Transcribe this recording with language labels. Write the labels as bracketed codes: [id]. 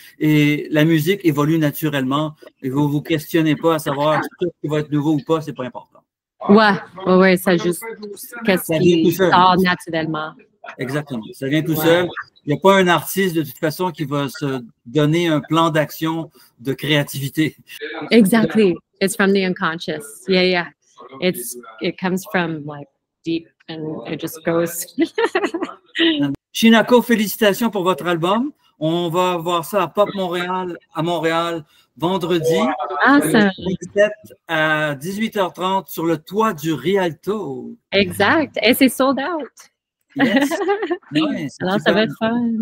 [fr] Et la musique évolue naturellement et vous ne vous questionnez pas à savoir ce qui va être nouveau ou pas, c'est pas important. Ouais, ça juste sort naturellement. Exactement, ça vient tout seul. Il n'y a pas un artiste de toute façon qui va se donner un plan d'action de créativité. [en] Exactly, it's from the unconscious. Yeah. It comes from like deep and it just goes. [fr] Shinako, félicitations pour votre album. On va voir ça à Pop Montréal, à Montréal, vendredi. [en] Awesome. [fr] 17 à 18h30 sur le toit du Rialto. Exact, et c'est sold out. [en] Yes. [fr] Ouais, alors, ça va être fun.